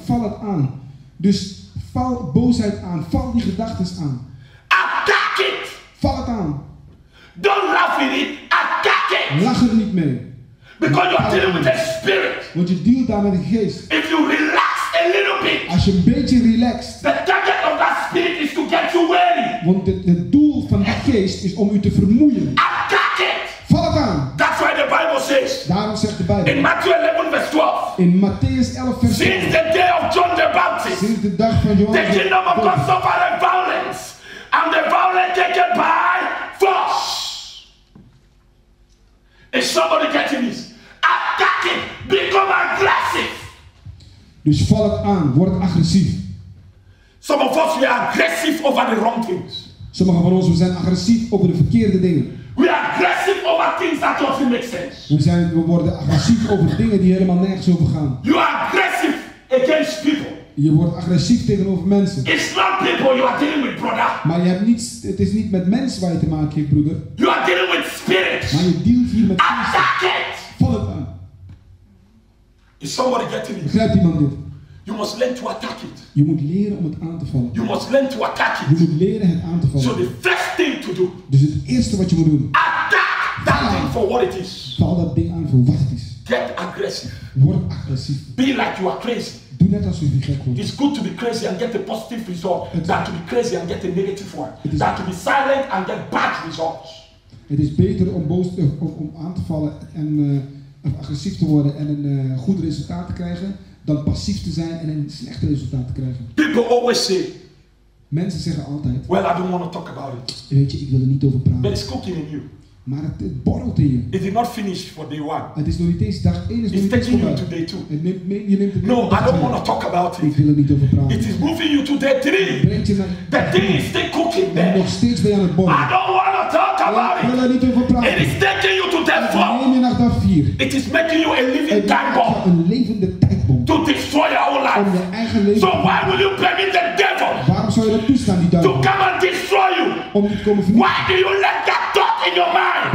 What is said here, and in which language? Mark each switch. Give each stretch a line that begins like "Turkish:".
Dutch: Val het aan. Dus val boosheid aan. Val die gedachten aan.
English: Attack it.
Dutch: Val het aan.
English: Don't laugh with it. Attack it.
Dutch: Lach er niet mee.
English: Because you're dealing with the spirit.
Dutch: Want je dealt daar met de geest.
English: If you relax a little bit.
Dutch: Als je een beetje relaxed.
English: The target of that spirit is to get you weary.
Dutch: Want het doel van die geest is om u te vermoeien.
English: Attack it.
Dutch: Val het aan.
English: That's why the Bible says.
Dutch: Daarom zegt de Bijbel.
English: In Matthew 11 verse 12.
Dutch: In Matthäus 11 vers 12.
English: Since the day of John the Baptist.
Dutch: Sinds de dag van Johannes.
English: The kingdom of God suffered violence. And the violence taken by force. Is somebody catching this? Attack it. Become aggressive.
Dutch: Dus val het aan, word agressief.
English: Some of us, we are aggressive over the wrong things.
Dutch: Sommigen van ons, we zijn agressief over de verkeerde dingen.
English: We are aggressive over things that don't make sense.
Dutch: We worden agressief over dingen die helemaal nergens over gaan.
English: You are aggressive against people.
Dutch: Je wordt agressief tegenover mensen.
English: It's not people you are dealing with, brother.
Dutch: Maar je hebt niets, het is niet met mensen waar je te maken hebt, broeder.
English: You are dealing with spirits.
Dutch: Maar je dealt hier met
English: spirits.
Dutch: Val het aan.
English: Is somebody getting it?
Dutch: Begrijpt iemand dit?
English: You must learn to attack it.
Dutch: Je moet leren om het aan te vallen.
English: You must learn to attack it.
Dutch: Je moet leren het aan te vallen.
English: So the first thing to do.
Dutch: Dus het eerste wat je moet doen.
English: Attack that thing for what it is.
Dutch: Val dat ding aan voor wat het is.
English: Get aggressive.
Dutch: Word agressief.
English: Be like you are crazy.
Dutch: Doe net alsof je gek wordt.
English: It's good to be crazy and get a positive result. Than to be crazy and get a negative one. Than to be silent and get bad results.
Dutch: Het is beter om boos om aan te vallen en agressief te worden en een goed resultaat te krijgen, dan passief te zijn en een slecht resultaat te krijgen.
English: People always say,
Dutch: mensen zeggen altijd,
English: well, I don't want to talk about it.
Dutch: Weet je, ik wil er niet over praten.
English: But it's cooking in you.
Dutch: Maar het borrelt in je.
English: It is not finished for day one.
Dutch: Het is nog niet eens dag 1.
English: It's taking you to day 2.
Dutch: Je neemt het
English: no, I don't want to talk about it.
Dutch: Ik wil er niet over praten.
English: It is moving you to day 3. The thing is still cooking there.
Dutch: En nog steeds ben je aan het borrelen.
English: I don't want to talk about it.
Dutch: Ik wil er niet over praten.
English: It is taking you to day 4.
Dutch: Neem je naar dag 4.
English: It is making you a living time bomb.
Dutch: Een levende tijdbom.
English: To destroy your whole life.
Dutch: Om je eigen leven.
English: So why will you permit the devil?
Dutch: Waarom zou je dat toestaan, die duivel?
English: To come and destroy you.
Dutch: Om je te komen vernietigen.
English: Why do you let that thought in your mind?